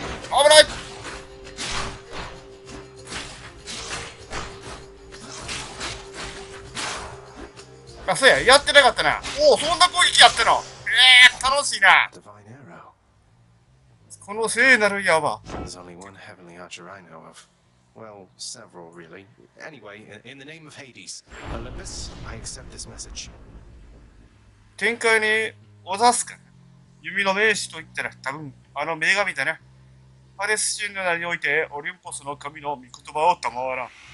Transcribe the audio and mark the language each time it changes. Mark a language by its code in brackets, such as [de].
[ja] あばらげ。あ、そうや、やってなかったな。おお、そんな攻撃やってんの。楽しいな。この聖なる矢は。 [en] There's only one heavenly archer I know of. Well, several really. Anyway, in the name of Hades, Olympus, I accept this message. [ja] 天界にお座すか。弓の名手と言ったら多分あの女神だな。パレス神の名においてオリンポスの神の御言葉を賜ら。